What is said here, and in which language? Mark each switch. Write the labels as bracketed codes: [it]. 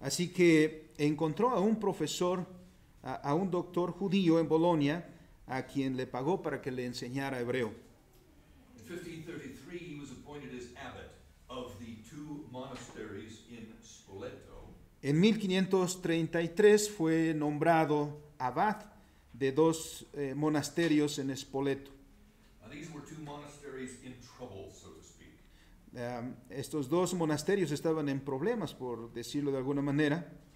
[es] Así que encontró a un profesor, a un doctor judío en Bolonia, a quien le pagó para que le enseñara hebreo. [en] In 1533, he was appointed as abbot of the two monasteries in Spoleto. [es] En 1533 fue nombrado abad de dos monasterios en Spoleto. [en] Now, these were two monasteries in trouble, so to speak. [es] Estos dos monasterios estaban en problemas, por decirlo de alguna manera.